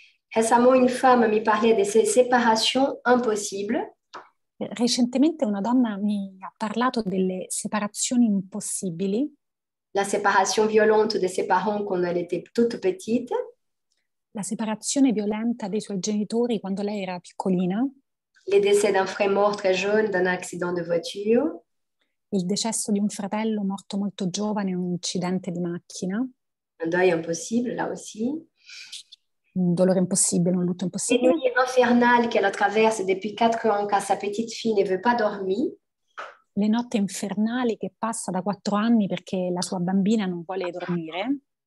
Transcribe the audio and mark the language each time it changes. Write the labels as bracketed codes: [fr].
[fr] Récemment, une femme mi parlait de ces séparations impossibles. [it] Recentemente una donna mi ha parlato delle separazioni impossibili. [fr] La séparation violente de ses parents quand elle était toute petite. [it] La separazione violenta dei suoi genitori quando lei era piccolina. [fr] Le décès d'un frère mort très jeune d'un accident de voiture. [it] Il decesso di un fratello morto molto giovane in un incidente di macchina. [fr] Un deuil impossible, là aussi. [it] Un dolore impossibile, un lutto impossibile. [fr] Une nuit infernale qu'elle traverse depuis 4 ans car sa petite fille ne veut pas dormir. [it] Le notte infernali che passa da 4 anni perché la sua bambina non vuole dormire.